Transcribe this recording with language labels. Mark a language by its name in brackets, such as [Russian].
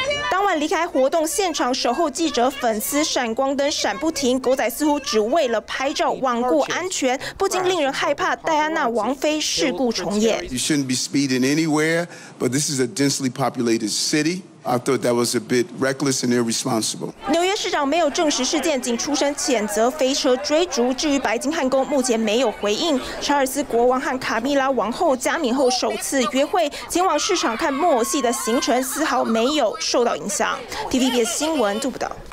[Chinese] 当晚离开活动现场，守候记者、粉丝闪光灯闪不停，狗仔似乎只为了拍照罔顾安全，不禁令人害怕戴安娜王妃事故重演。 [English] You shouldn't be speeding anywhere, but this is a densely populated city. I thought that was a bit reckless and irresponsible. [Chinese] 纽约市长没有证实事件，仅出声谴责飞车追逐。至于白金汉宫，目前没有回应。查尔斯国王和卡米拉王后加冕后首次约会，前往市场看木偶戏的行程丝毫没有受到影响。 TVBS 新闻杜不道。